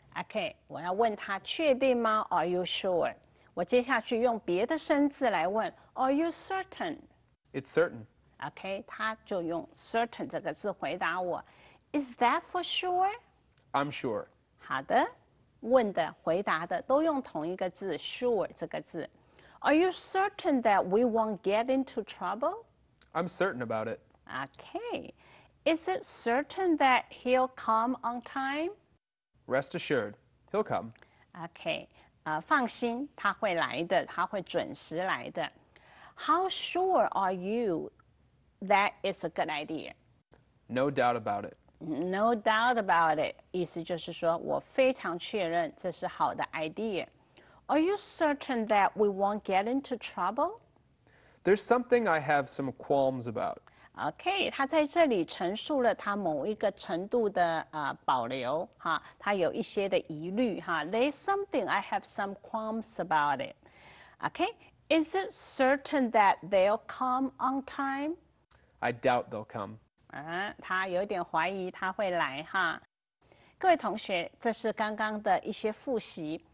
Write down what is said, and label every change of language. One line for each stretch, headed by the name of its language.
Chinese: Okay, 我要问他确定吗 ？
English: Are you sure?
Chinese: 我接下去用别的生字来问 ，
English: Are you certain? It's certain.
Chinese: Okay, 他就用 certain 这个字回答我。
English: Is that for sure? I'm sure.
Chinese: 好的，问的、回答的都用同一个字 ，sure 这个字。
English: Are you certain that we won't get into trouble? I'm certain about it. Okay. Is it certain that he'll come on time? Rest assured, he'll come. Okay.
Chinese: 放心，他会来的，他会准时来的。
English: How sure are you that it's a good idea? No doubt about it. No doubt about it.
Chinese: 意思就是说，我非常确认这是好的 idea。
English: Are you certain that we won't get into trouble? There's something I have some qualms about.
Chinese: Okay, 他在这里陈述了他某一个程度的保留哈，他有一些的疑虑哈。
English: There's something I have some qualms about it. Okay, is it certain that they'll come on time? I doubt they'll come.
Chinese: 他有点怀疑他会来哈。各位同学，这是刚刚的一些复习。